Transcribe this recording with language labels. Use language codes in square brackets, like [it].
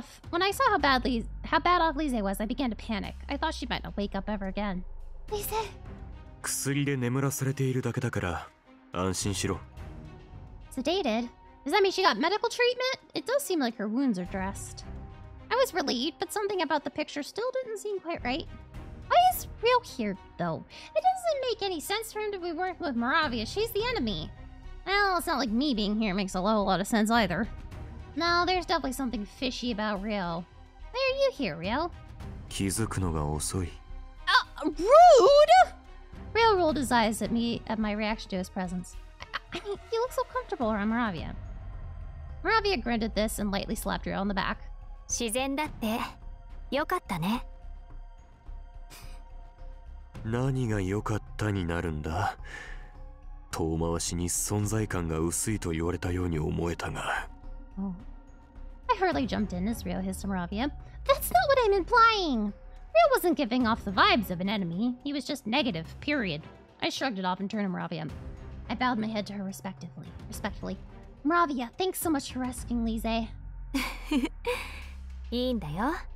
[en] When I saw how bad off Lise was, I began to panic. I thought she might not wake up ever again. Lise! [ja] 薬で眠らされているだけだから安心しろ。 [en] Sedated? Does that mean she got medical treatment? It does seem like her wounds are dressed. I was relieved, but something about the picture still didn't seem quite right. Why is Ryo here, though? It doesn't make any sense for him to be working with Moravia. She's the enemy. Well, it's not like me being here makes a whole lot of sense either. No, there's definitely something fishy about Ryo. Why are you here, Ryo? [ja] 気づくのが遅い。 [en] Rude! Ryo rolled his eyes at my reaction to his presence. I mean, you look so comfortable around Moravia. Moravia grinned at this and lightly slapped Ryo on the back. [ja] 自然だって、よかったね。何がよかったになるんだ。遠回しに存在感が薄いと言われたように思えたが。 [en] Oh. I hurriedly jumped in as Ryo hissed to Moravia. That's not what I'm implying! Ryo wasn't giving off the vibes of an enemy. He was just negative, period. I shrugged it off and turned to Moravia. I bowed my head to her respectfully. Moravia, thanks so much for rescuing Lise. [ja] いいんだよ。